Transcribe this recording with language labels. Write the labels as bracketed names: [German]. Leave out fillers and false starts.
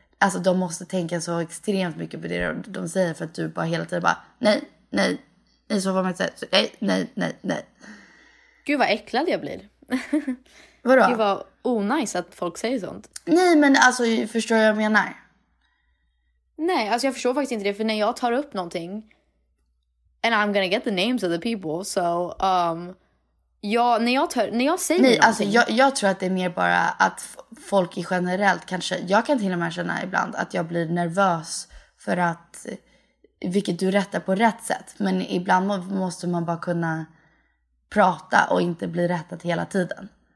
[Swedish] Alltså de måste tänka så extremt mycket på det de säger för att du bara hela tiden bara nej, nej, nej, så får man säga så, nej, nej, nej, nej. Gud vad äcklad jag blir. Vadå? Det var onajs att folk säger sånt. Nej, men alltså, förstår jag vad jag menar? Nej, alltså jag förstår faktiskt inte det. För när jag tar upp någonting... [English] And I'm gonna get the names of the people, so... [Swedish] Jag tror att det är mer bara att folk i generellt kanske... Jag kan till och med känna ibland att jag blir nervös för att... Vilket du rättar på rätt sätt. Men ibland måste man bara kunna prata och inte bli rättad hela tiden.